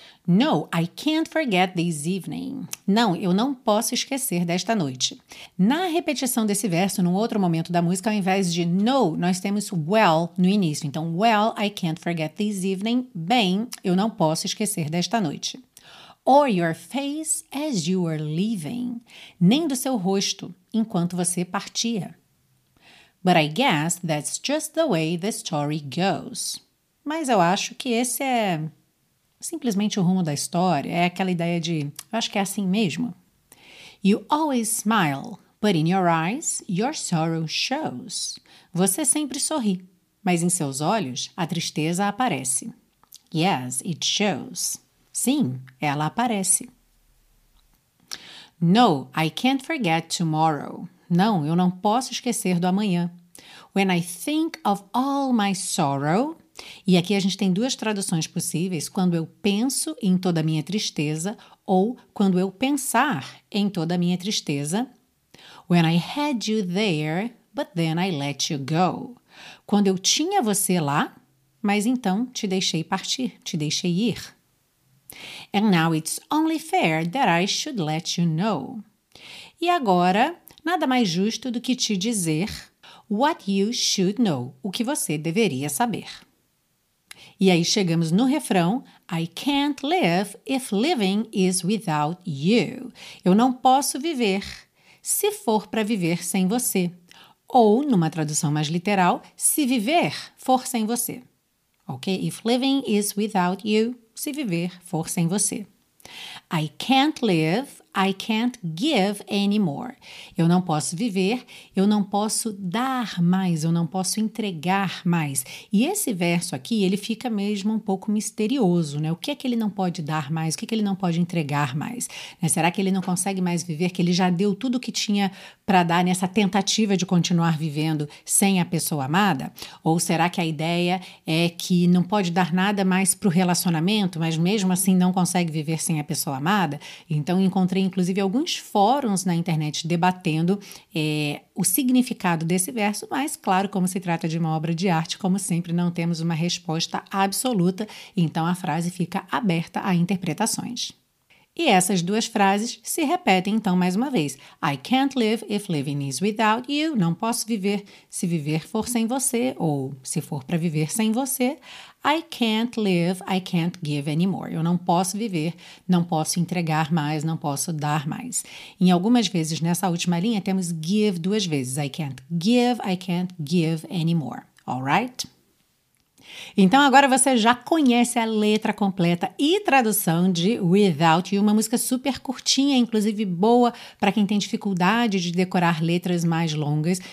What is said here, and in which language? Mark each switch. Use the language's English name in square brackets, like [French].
[English] No, I can't forget this evening. [Portuguese] Não, eu não posso esquecer desta noite. Na repetição desse verso, num outro momento da música, ao invés de no, nós temos well no início. [English] Então, well, I can't forget this evening. [Portuguese] Bem, eu não posso esquecer desta noite. [English] Or your face as you were leaving. [Portuguese] Nem do seu rosto, enquanto você partia. [English] But I guess that's just the way the story goes. [Portuguese] Mas eu acho que esse é simplesmente o rumo da história, é aquela ideia de, eu acho que é assim mesmo. [English] You always smile, but in your eyes, your sorrow shows. [Portuguese] Você sempre sorri, mas em seus olhos, a tristeza aparece. [English] Yes, it shows. [Portuguese] Sim, ela aparece. [English] No, I can't forget tomorrow. [Portuguese] Não, eu não posso esquecer do amanhã. [English] When I think of all my sorrow. [Portuguese] E aqui a gente tem duas traduções possíveis, quando eu penso em toda a minha tristeza ou quando eu pensar em toda a minha tristeza. [English] When I had you there, but then I let you go. [Portuguese] Quando eu tinha você lá, mas então te deixei partir, te deixei ir. [English] And now it's only fair that I should let you know. [Portuguese] E agora, nada mais justo do que te dizer. [English] What you should know, [Portuguese] o que você deveria saber. E aí chegamos no refrão, [English] I can't live if living is without you. [Portuguese] Eu não posso viver se for para viver sem você. Ou, numa tradução mais literal, se viver for sem você. [English] Ok? If living is without you, [Portuguese] se viver for sem você. [English] I can't live, I can't give anymore. [Portuguese] Eu não posso viver, eu não posso dar mais, eu não posso entregar mais. E esse verso aqui, ele fica mesmo um pouco misterioso, né? O que é que ele não pode dar mais? O que é que ele não pode entregar mais? Né? Será que ele não consegue mais viver, que ele já deu tudo o que tinha para dar nessa tentativa de continuar vivendo sem a pessoa amada? Ou será que a ideia é que não pode dar nada mais para o relacionamento, mas mesmo assim não consegue viver sem a pessoa amada? Então, encontrei inclusive alguns fóruns na internet debatendo o significado desse verso, mas claro, como se trata de uma obra de arte, como sempre, não temos uma resposta absoluta, então a frase fica aberta a interpretações. E essas duas frases se repetem então mais uma vez. [English] I can't live if living is without you. [Portuguese] Não posso viver se viver for sem você, ou se for para viver sem você. [English] I can't live, I can't give anymore. [Portuguese] Eu não posso viver, não posso entregar mais, não posso dar mais. Em algumas vezes nessa última linha temos give duas vezes. [English] I can't give anymore. All right? [Portuguese] Então agora você já conhece a letra completa e tradução de Without You, uma música super curtinha, inclusive boa para quem tem dificuldade de decorar letras mais longas.